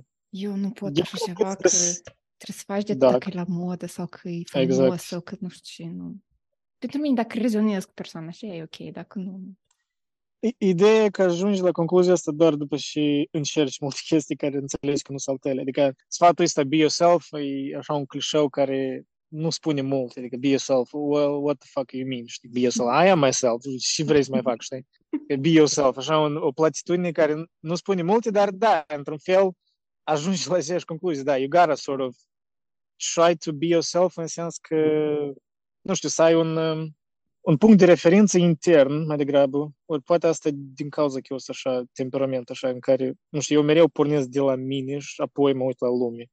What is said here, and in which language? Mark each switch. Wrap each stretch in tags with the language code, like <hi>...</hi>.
<ro>eu nu pot așa ceva, că trebuie să faci de tot dacă e la modă sau că e frumos exact. Sau că nu știu ce. Nu. Pentru mine, dacă rezonez cu persoana așa, e ok, dacă nu... Ideea e că ajungi la concluzia asta doar după și încerci multe chestii care înțelegi că nu sunt altele. Adică sfatul ăsta,</ro> <en>be yourself,</en> <ro>e așa un clișeu care nu spune mult. Adică</ro> <en>be yourself, well, what the fuck you mean?</en> <ro>Știi?</ro> <en>Be yourself, I am myself,</en> <ro>și vrei să mai fac, știi?</ro> <en>Be yourself,</en> <ro>așa o platitudine care nu spune multe, dar da, într-un fel ajungi la aceeași concluzie. Da,</ro> <en>you gotta sort of try to be yourself</en> <ro>în sens că, nu știu, să ai un punct de referință intern, mai degrabă, ori poate asta din cauza că eu sunt așa, temperament așa, în care, nu știu, eu mereu pornesc de la mine și apoi mă uit la lume.</ro>